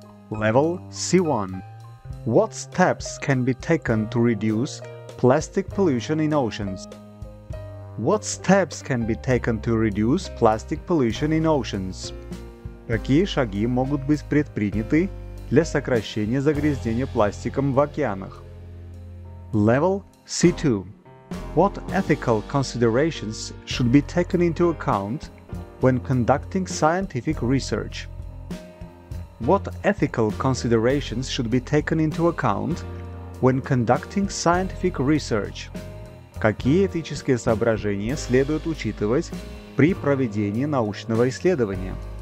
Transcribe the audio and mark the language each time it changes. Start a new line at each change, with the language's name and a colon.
English: Level C1. What steps can be taken to reduce plastic pollution in oceans? What steps can be taken to reduce plastic pollution in oceans?
Russian: Какие шаги могут быть предприняты для сокращения загрязнения пластиком в океанах?
English: Level C2. What ethical considerations should be taken into account when conducting scientific research? What ethical considerations should be taken into account when conducting scientific research?
Russian: Какие этические соображения следует учитывать при проведении научного исследования?